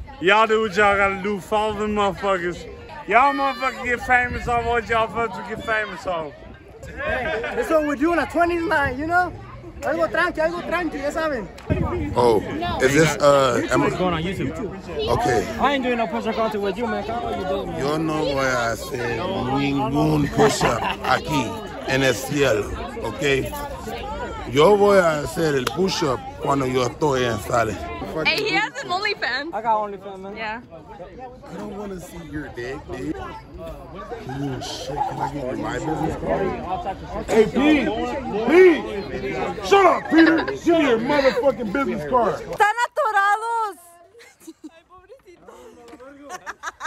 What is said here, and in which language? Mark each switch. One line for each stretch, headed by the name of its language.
English: Y'all do what y'all gotta do. Follow the motherfuckers. Y'all motherfucking get famous on what y'all supposed to get famous on. Hey, that's what we're doing at 20 tonight, you know?
Spanish: Algo tranqui, algo tranqui, ya saben.
English: Oh, is this, YouTube is going on YouTube. Okay. I ain't doing no push-up content with you, man. Come on, you don't, man.
Spanish: Yo no voy a hacer ningún push-up aquí en el cielo, okay? Yo voy a hacer el push-up cuando yo estoy en sale.
English: Hey, he has an OnlyFans. I got OnlyFans, man. Yeah. I don't want to see your dick, dude. Holy shit, can I get you my business card? Hey, Pete! Shut up, Peter! Give me your motherfucking business card!
Spanish: Están atorados! Ay, pobrecito.